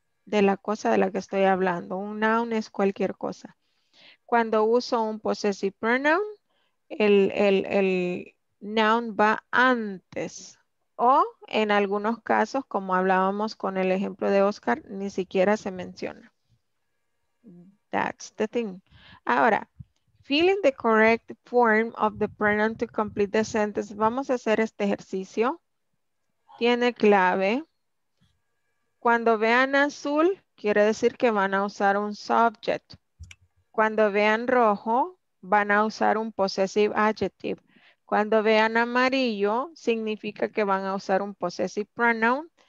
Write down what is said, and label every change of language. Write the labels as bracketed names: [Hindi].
[Spanish] De la cosa de la que estoy hablando. Un noun es cualquier cosa. Cuando uso un possessive pronoun, el noun va antes. O en algunos casos, como hablábamos con el ejemplo de Oscar, ni siquiera se menciona. [English] That's the thing. Ahora, fill in the correct form of the pronoun to complete the sentence. [Spanish] Vamos a hacer este ejercicio. Tiene clave. Cuando vean azul, quiere decir que van a usar un subject. Cuando vean rojo, van a usar un possessive adjective. Cuando vean amarillo, significa que van a usar un possessive pronoun.